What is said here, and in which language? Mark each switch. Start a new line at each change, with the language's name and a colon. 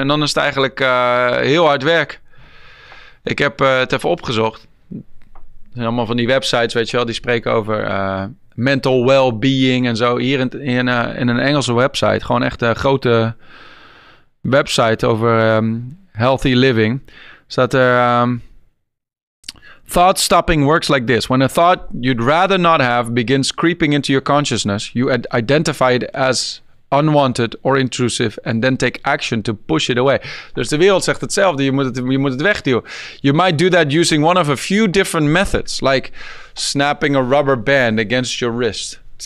Dutch: En dan is het eigenlijk heel hard werk. Ik heb het even opgezocht. Er zijn allemaal van die websites, weet je wel. Die spreken over mental well-being en zo. Hier in een Engelse website. Gewoon echt een grote website over healthy living. Staat er...
English: thought stopping works like this. When a thought you'd rather not have begins creeping into your consciousness, you identify it as... unwanted or intrusive, and then take action to push it away.
Dutch: Dus de wereld zegt hetzelfde, je moet het wegduwen.
English: You might do that using one of a few different methods, like snapping a rubber band against your wrist.